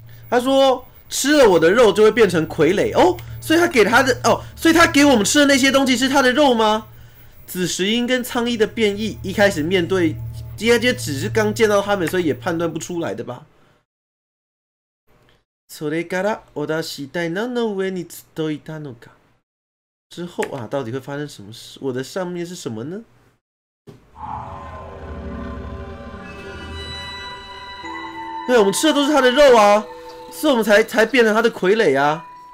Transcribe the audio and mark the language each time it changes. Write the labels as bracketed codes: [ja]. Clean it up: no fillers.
[zh] 他说吃了我的肉就会变成傀儡，所以他给他的，所以他给我们吃的那些东西是他的肉吗？紫石英跟苍衣的变异，一开始面对，应该就只是刚见到他们，所以也判断不出来的吧。 [ja] それから私一体何の上にずっといたのか。 [zh] 之后，到底会发生什么事？我的上面是什么呢？对，我们吃的都是他的肉啊，所以我们才变成他的傀儡啊。